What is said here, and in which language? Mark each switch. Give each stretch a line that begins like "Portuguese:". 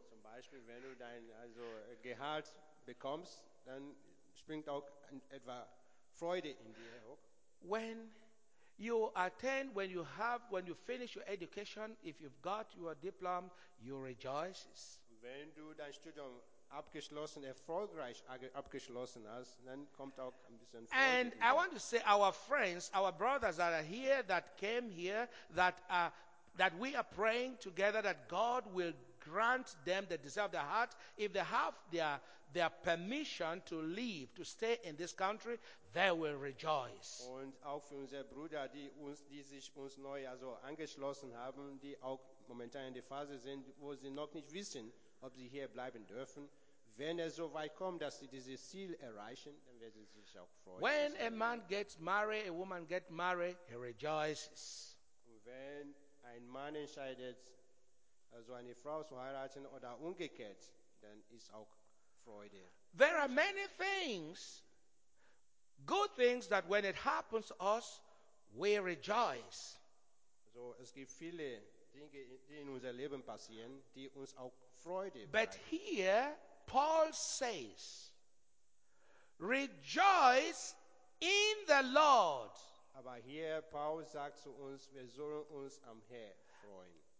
German: Zum Beispiel, wenn du dein Gehalt bekommst, dann springt auch etwa Freude in dir hoch.
English: When you attend, when you finish your education, if you've got your diploma, you rejoice.
German: Wenn du dein Studium abgeschlossen, erfolgreich abgeschlossen hast, dann kommt auch ein bisschen Freude.
English: And I want to say our friends, our brothers that are here, that came here, that are that we are praying together that God will grant them the desire of their heart. If they have their permission to leave, to stay in this country, they will rejoice.
German: Und auch für unsere Brüder, die uns, die sich uns neu also angeschlossen haben, die auch momentan in der Phase sind, wo sie noch nicht wissen, ob sie hier bleiben dürfen. Wenn es so weit kommt, dass sie dieses Ziel erreichen, dann werden sie sich auch freuen.
English: When a man gets married, a woman gets married, he rejoices.
German: Und wenn ein Mann entscheidet, also eine Frau zu heiraten oder umgekehrt, dann ist auch Freude.
English: There are many things, good things, that when it happens to us, we rejoice.
German: So es gibt viele Dinge, die in unser Leben passieren, die uns auch Freude bringen.
English: But here, Paul says, rejoice in the Lord.
German: Aber hier, Paul sagt zu uns, wir sollen uns am Herr freuen.